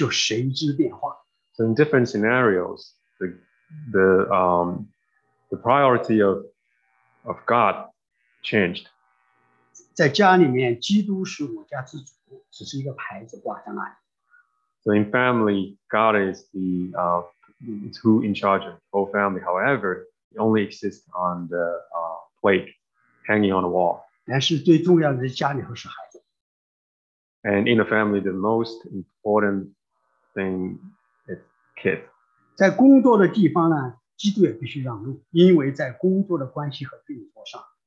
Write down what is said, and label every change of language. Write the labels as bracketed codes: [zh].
[zh] 所以在不同的场合，基督在我心中所处的地位就随之变化。So [en] in different scenarios, the priority of God. Changed. [zh] 在家里面, 基督是我家之主, 只是一个牌子挂在那里。 [en] So in family, God is the who in charge of the whole family. However, it only exists on the plate hanging on the wall. [zh] 但是最重要的是家里头是孩子。 [en] And in a family, the most important thing is kids. [zh] 在工作的地方呢, 基督也必须让路, 因为在工作的关系和运作上,